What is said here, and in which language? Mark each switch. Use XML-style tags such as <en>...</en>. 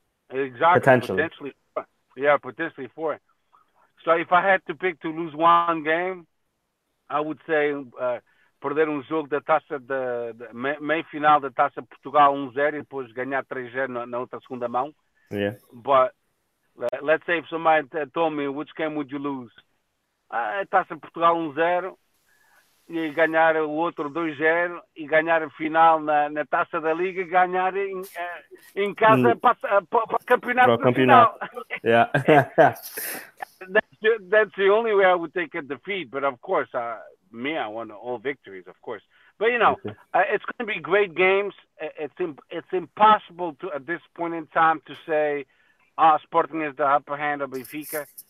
<en>Exactly. Potentially. Yeah, potentially four. So if I had to pick to lose one game, I would say</en> <pt>perder jogo da Taça de meio final da Taça Portugal 1-0 e depois ganhar 3-0 na outra segunda mão.</pt> <en>Yeah. But let's say if somebody told me, which game would you lose?</en> <pt>Taça Portugal 1-0. E ganhar o outro 2-0 e ganhar a final na Taça da Liga e ganhar em casa para o campeonato. Para o campeonato.</pt> <en>Yeah. That's the only way I would take a defeat. But, of course, I want all victories, of course. But, you know, it's going to be great games. It's impossible to at this point in time to say Sporting is the upper hand of Benfica.</en>